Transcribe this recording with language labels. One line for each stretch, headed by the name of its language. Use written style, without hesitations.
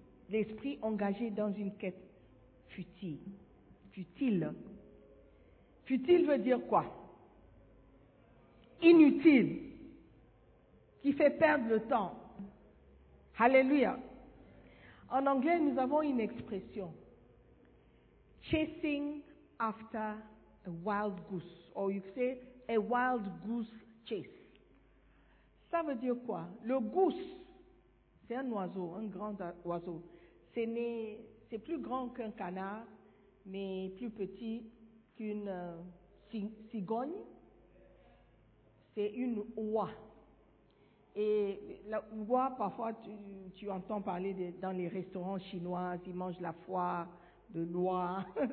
French: L'esprit engagé dans une quête futile. Futile. Futile veut dire quoi? Inutile. Qui fait perdre le temps. Alléluia. En anglais, nous avons une expression.
English: Chasing after a wild goose. Or you say, a wild goose chase.
French: Ça veut dire quoi? Le goose. C'est un oiseau, un grand oiseau. C'est plus grand qu'un canard, mais plus petit qu'une cigogne. C'est une oie. Et la oie, parfois, tu entends parler dans les restaurants chinois, ils mangent la foie de l'oie.